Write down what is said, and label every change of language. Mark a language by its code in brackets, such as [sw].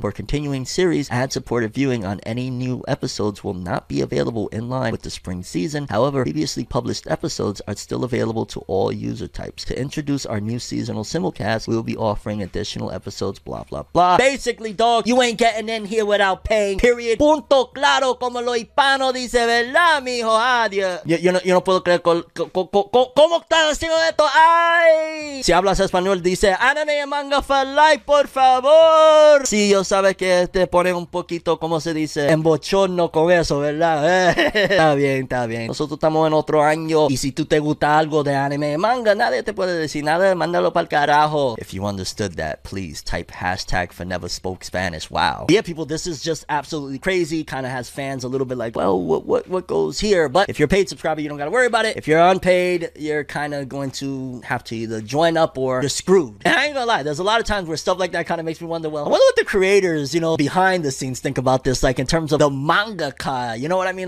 [en] For continuing series, ad-supported viewing on any new episodes will not be available in line with the spring season. However, previously published episodes are still available to all user types. To introduce our new seasonal simulcast, we will be offering additional episodes, blah, blah, blah. Basically, dog, you ain't getting in here without paying, period. [es] Punto claro como lo hispano dice, ¿verdad, mijo? Adiós. Yo no puedo creer cómo está haciendo esto. ¡Ay! Si hablas español, dice, anime y manga [en] for life, [es] por favor. Sí, yo sabes que te pone un poquito, ¿cómo se dice? Embochorno con eso, ¿verdad? Está bien, está bien. Nosotros estamos en otro año, y si tú te gusta gusta algo de anime y manga, nadie te puede decir nada, mándalo pa'l carajo. [en] If you understood that, please type hashtag for never spoke Spanish. Wow. Yeah, people, this is just absolutely crazy. Kind of has fans a little bit like, well, what goes here? But if you're a paid subscriber, you don't gotta worry about it. If you're unpaid, you're kind of going to have to either join up or you're screwed. And I ain't gonna lie, there's a lot of times where stuff like that kind of makes me wonder, well, I wonder what the creators, you know, behind the scenes think about this, like in terms of the mangaka, you know what I mean?